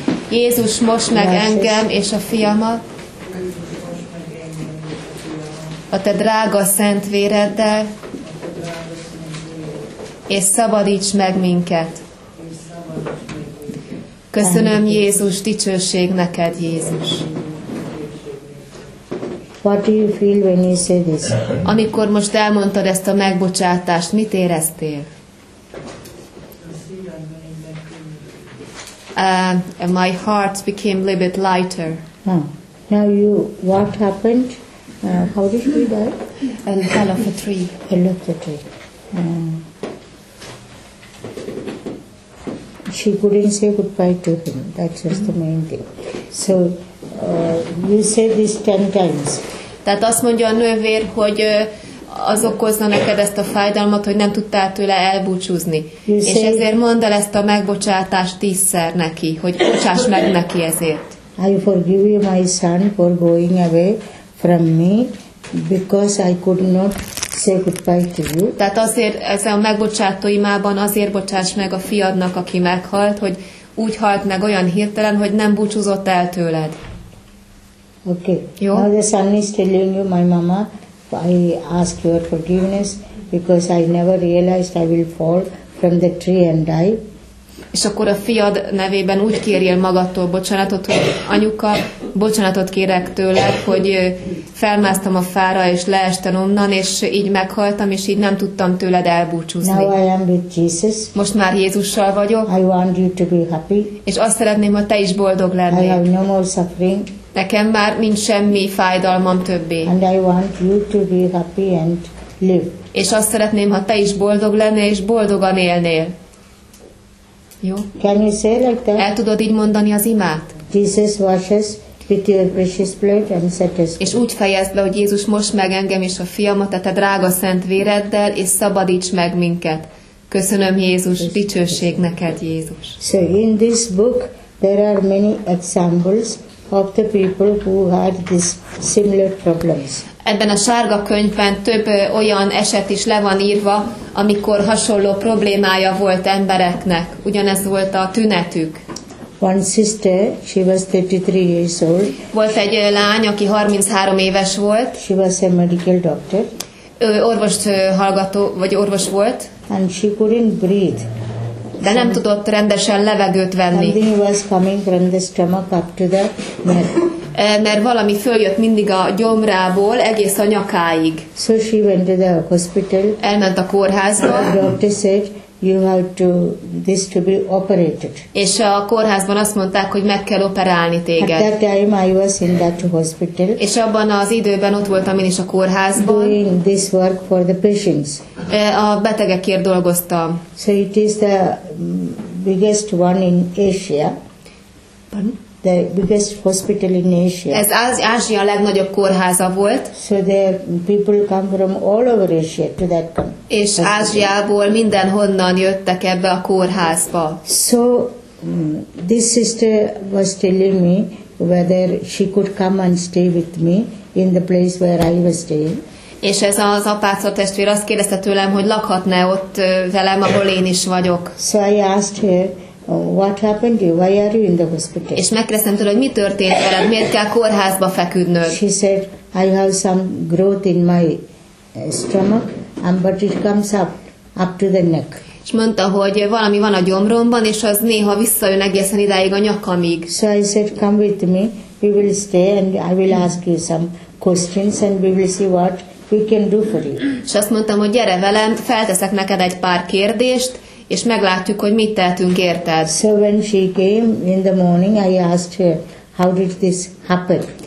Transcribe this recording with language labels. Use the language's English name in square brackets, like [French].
[Hungarian] Jézus, most meg engem és a fiamat a te drága szent véreddel, és szabadíts meg minket. Köszönöm, Jézus, dicsőség neked, Jézus. [English] What do you feel when you say this? [Hungarian] Amikor most elmondtad ezt a megbocsátást, mit éreztél? [English] My heart became a little bit lighter. Now you, what happened? How did you die? I fell off a tree. Fell off the tree. She couldn't say goodbye to him. That's just the main thing. So you say this 10 times. [Hungarian] Tehát azt mondja a nővér, hogy az okozna neked ezt a fájdalmat, hogy nem tudtál tőle elbúcsúzni. És ezért mondd el ezt a megbocsátást 10-szer neki, hogy bocsáss meg neki ezért. [English] I forgive you my son for going away from me because I could not say goodbye to you. [Hungarian] Tehát azért ezzel a megbocsátó imában azért bocsáss meg a fiadnak, aki meghalt, hogy úgy halt meg olyan hirtelen, hogy nem búcsúzott el tőled. [English] Okay. [Hungarian] Jó. [English] Now the son is telling you, my mama, I ask your forgiveness because I never realized I will fall from the tree and die. [Hungarian] És akkor a fiad nevében úgy kérjél magadtól bocsánatot, hogy anyuka, bocsánatot kérek tőle, hogy felmásztam a fára és leestem onnan, és így meghaltam, és így nem tudtam tőled elbúcsúzni. [English] Now I am with Jesus. [Hungarian] Most már Jézussal vagyok. [English] I want you to be happy. [Hungarian] És azt szeretném, hogy te is boldog lennél. [English] I have no more suffering. [Hungarian] Nekem már nincs semmi fájdalmam többé. [English] And I want you to be happy and live. [Hungarian] És azt szeretném, ha te is boldog lennél, és boldogan élnél. Jó? [English] Can you say like that? [Hungarian] El tudod így mondani az imát? [English] Jesus washes with your precious blood and set us. [Hungarian] És úgy fejezd be, hogy Jézus, mosd meg engem és a fiamat, a te drága szent véreddel, és szabadíts meg minket. Köszönöm, Jézus, dicsőség neked, Jézus. [English] So in this book there are many examples of the people who had this similar problems. [Hungarian] Ebben a sárga könyvben több olyan eset is le van írva, amikor hasonló problémája volt embereknek. Ugyanez volt a tünetük. [English] One sister, she was 33 years old. [Hungarian] Volt egy lány, aki 33 éves volt. [English] She was a medical doctor. [Hungarian] Ő orvost hallgató, vagy orvos volt. [English] And she couldn't breathe. [Hungarian] De nem tudott rendesen levegőt venni. [English] Something was coming from the stomach up to the neck. [Hungarian] Mert valami följött mindig a gyomrából egész a nyakáig. [English] So she went to the hospital. [Hungarian] Elment a kórházba. [English] The doctor said you have to this to be operated. [Hungarian] És a kórházban azt mondták, hogy meg kell operálni téged. [English] At that time I was in that hospital. [Hungarian] És abban az időben ott voltam én is a kórházban. [English] Doing this work for the patients. [Hungarian] A betegekért dolgoztam. [English] So it is the biggest one in Asia. Pardon? The biggest hospital in Asia. [Hungarian] Ez Ázsia legnagyobb kórháza volt. [English] So the people come from all over Asia to that country. [Hungarian] És Ázsiából mindenhonnan jöttek ebbe a kórházba. [English] So this sister was telling me whether she could come and stay with me in the place where I was staying. [Hungarian] És ez az apáca testvér azt kérdezte tőlem, hogy lakhatne ott velem, ahol én is vagyok. [English] So I asked her, what happened to you? Why are you in the hospital? [Hungarian] És megkérdeztem tőle, hogy mi történt veled, miért kell kórházba feküdnöd? [English] She said, I have some growth in my stomach, but it comes up to the neck. [Hungarian] És mondta, hogy valami van a gyomromban, és az néha visszajön egészen idáig a nyakamig. [English] So I said, come with me, we will stay, and I will ask you some questions, and we will see what we can do for you. [Hungarian] És azt mondtam, hogy gyere velem, felteszek neked egy pár kérdést, és meglátjuk, hogy mit tehetünk érted. [English] So when she came in the morning, I asked her, how did this happen?